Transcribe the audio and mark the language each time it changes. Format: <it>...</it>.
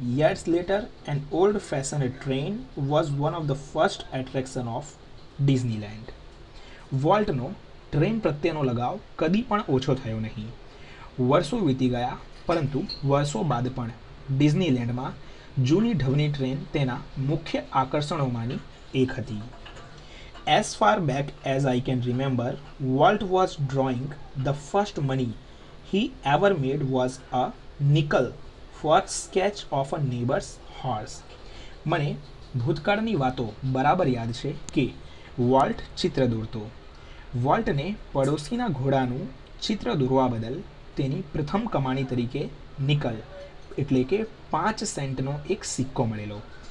<en>Years later an old fashion train was one of the first attraction of Disneyland.</en> <gu>વોલ્ટનો train પ્રત્યેનો લગાવ કદી પણ ઓછો થયો નહીં. વર્ષો વીતી ગયા પરંતુ વર્ષો બાદ પણ ડિઝનીલેન્ડમાં જૂની ઢવની ટ્રેન તેના મુખ્ય આકર્ષણોમાંની એક હતી.</gu> <en>As far back as I can remember, Walt was drawing the first money he ever made was a nickel for sketch of a neighbor's horse.</en> <gu>મને ભૂતકાળની વાતો બરાબર યાદ છે કે વોલ્ટ ચિત્ર દોરતો. વોલ્ટને પડોશીના ઘોડાનું ચિત્ર દોરવા બદલ તેની પ્રથમ કમાણી તરીકે નિકલ એટલે કે 5 સેન્ટનો એક સિક્કો મળેલો.</gu>